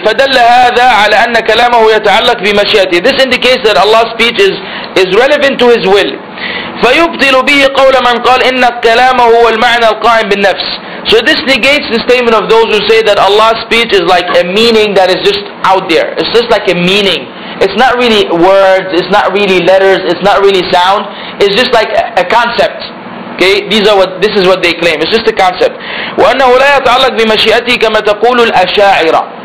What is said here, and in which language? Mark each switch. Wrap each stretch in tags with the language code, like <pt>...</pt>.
<ar>فدل هذا على أن كلامه يتعلق بمشيئته.</ar> <en>This indicates that Allah's speech is relevant to his will.</en> <ar>فيبطل به قول من قال إن كلامه هو المعنى القائم بالنفس.</ar> <en>So this negates the statement of those who say that Allah's speech is like a meaning that is just out there. It's just like a meaning. It's not really words, it's not really letters, it's not really sound. It's just like a concept. Okay, this is what they claim. It's just a concept.</en> <ar>وَأَنَّهُ لَا يَتَعَلَّقْ بِمَشِيئَتِهِ كَمَا تَقُولُ الْأَشَاعِرَ.</ar>